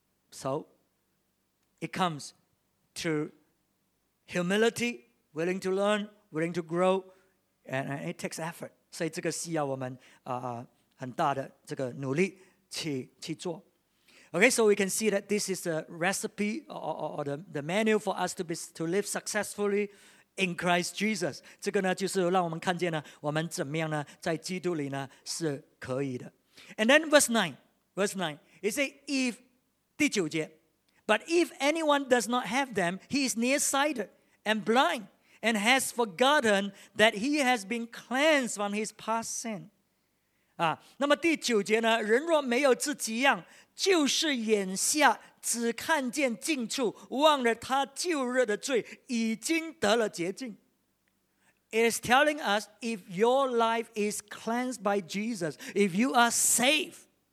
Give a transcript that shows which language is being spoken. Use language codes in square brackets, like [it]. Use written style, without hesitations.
[en] So, it comes to humility, willing to learn, willing to grow, and it takes effort. So, this is what we need to do a lot of effort. [zh] 去做 [en] Okay, so we can see that this is the recipe or the manual for us to live successfully in Christ Jesus. [zh] 这个呢就是让我们看见呢我们怎么样呢在基督里呢是可以的。 [en] And then verse 9, it says, if, [zh] 第九节, [en] but if anyone does not have them, he is nearsighted and blind and has forgotten that he has been cleansed from his past sin. [zh] 啊、那么第九节呢人若没有这几样就是眼下只看见近处忘了他旧日的罪已经得了洁净 [en] It is telling us if your life is cleansed by Jesus if you are safe